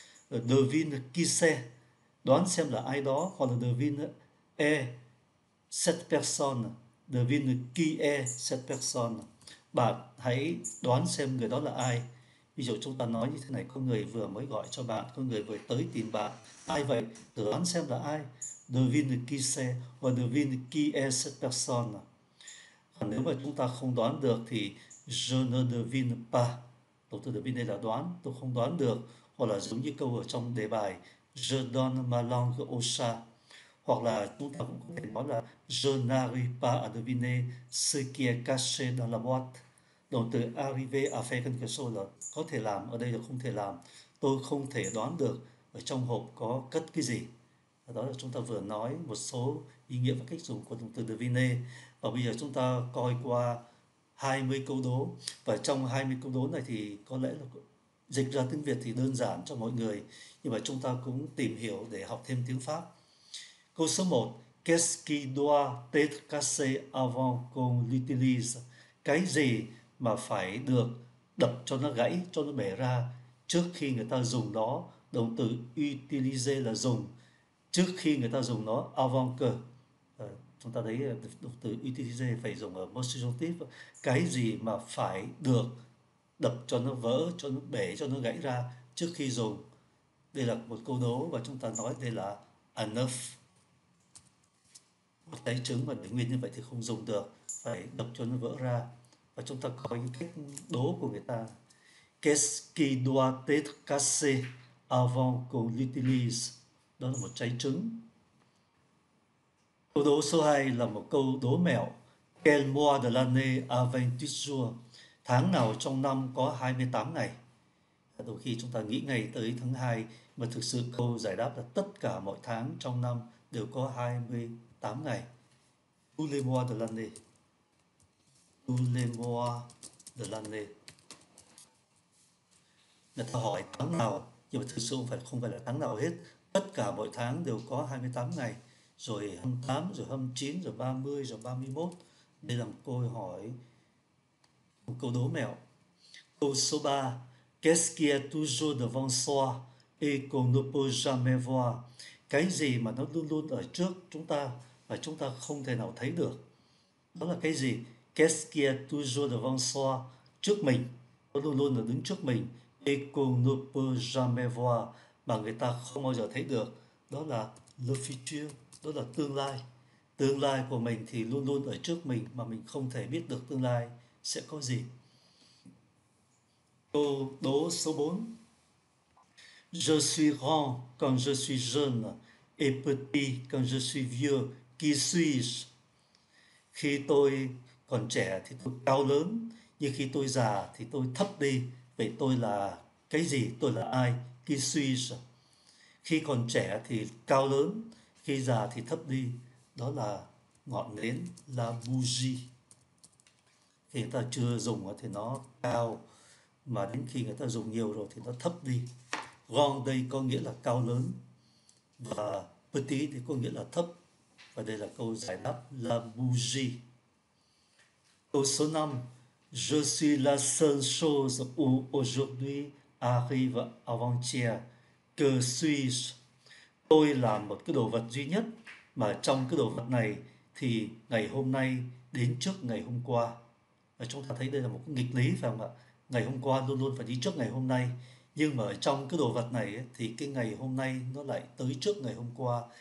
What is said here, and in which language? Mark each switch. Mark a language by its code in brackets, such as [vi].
[fr] Devine qui c'est, [vi] đoán xem là ai đó. Hoặc là [fr] devine est cette personne, [vi] devine qui est cette personne, bạn hãy đoán xem người đó là ai. Ví dụ chúng ta nói như thế này, có người vừa mới gọi cho bạn, có người vừa tới tìm bạn. Ai vậy? Tự đoán xem là ai? [fr] Devine qui c'est hoặc devine qui est cette personne. [vi] Còn nếu mà chúng ta không đoán được thì [fr] je ne devine pas. [vi] Động từ devine đây là đoán, tôi không đoán được. Hoặc là giống như câu ở trong đề bài, [fr] je donne ma langue au chat. [vi] Hoặc là chúng ta cũng có thể nói là [fr] je n'arrive pas à deviner ce qui est caché dans la boîte. [vi] Động từ [fr] arriver à faire quelque chose [vi] là có thể làm, ở đây là không thể làm. Tôi không thể đoán được ở trong hộp có cất cái gì. Đó là chúng ta vừa nói một số ý nghĩa và cách dùng của động từ deviner. Và bây giờ chúng ta coi qua 20 câu đố. Và trong 20 câu đố này thì có lẽ là dịch ra tiếng Việt thì đơn giản cho mọi người. Nhưng mà chúng ta cũng tìm hiểu để học thêm tiếng Pháp. Câu số 1. [fr] Qu'est-ce qui doit être cassé avant qu'on l'utilise? [vi] Cái gì mà phải được đập cho nó gãy, cho nó bể ra trước khi người ta dùng nó? Động từ utiliser là dùng. Trước khi người ta dùng nó, avant que. Chúng ta thấy động từ utiliser phải dùng ở most subjunctive. Cái gì mà phải được đập cho nó vỡ, cho nó bể, cho nó gãy ra trước khi dùng? Đây là một câu đố và chúng ta nói đây là enough. Một tay trứng mà để nguyên như vậy thì không dùng được, phải đập cho nó vỡ ra. Và chúng ta có những cách đố của người ta. [fr] Qu'est-ce qui doit être cassé avant qu'on l'utilise? [vi] Đó là một trái trứng. Câu đố số 2 là một câu đố mẹo. [fr] Quel mois de l'année a 28 jours? [vi] Tháng nào trong năm có 28 ngày? Đôi khi chúng ta nghĩ ngay tới tháng 2, mà thực sự câu giải đáp là tất cả mọi tháng trong năm đều có 28 ngày. [fr] Tous les mois de l'année. Tous les mois de l'année. [vi] Người ta hỏi tháng nào, nhưng mà thực sự không phải là tháng nào hết. Tất cả mọi tháng đều có 28 ngày, rồi 28, rồi 29, rồi 30, rồi 31. Đây là một câu hỏi, một câu đố mẹo. Câu số 3. [fr] Qu'est-ce qui est toujours devant soi et qu'on ne peut jamais voir? [vi] Cái gì mà nó luôn luôn ở trước chúng ta và chúng ta không thể nào thấy được? Đó là cái gì? [fr] Qu'est-ce qui est toujours devant soi? [vi] Trước mình, nó luôn luôn là đứng trước mình. [fr] Et qu'on ne peut jamais voir, [vi] mà người ta không bao giờ thấy được, đó là le futur, đó là tương lai. Tương lai của mình thì luôn luôn ở trước mình mà mình không thể biết được tương lai sẽ có gì. Câu đố số 4. [fr] Je suis grand quand je suis jeune et petit quand je suis vieux. Qui suis-je? [vi] Khi tôi còn trẻ thì tôi cao lớn, nhưng khi tôi già thì tôi thấp đi. Vậy tôi là cái gì? Tôi là ai? [fr] Qui suis-je? [vi] Khi còn trẻ thì cao lớn, khi già thì thấp đi. Đó là ngọn nến, là bougie. Khi người ta chưa dùng thì nó cao, mà đến khi người ta dùng nhiều rồi thì nó thấp đi. Grand đây có nghĩa là cao lớn, và petit thì có nghĩa là thấp. Và đây là câu giải đáp, là bougie. Câu số 5. [fr] Je suis la seule chose où aujourd'hui arrive avant-hier. Que suis-je? [vi] Tôi là một cái đồ vật duy nhất, mà trong cái đồ vật này thì ngày hôm nay đến trước ngày hôm qua. Và chúng ta thấy đây là một cái nghịch lý, phải không ạ? Ngày hôm qua luôn luôn phải đi trước ngày hôm nay, nhưng mà ở trong cái đồ vật này thì cái ngày hôm nay nó lại tới trước ngày hôm qua.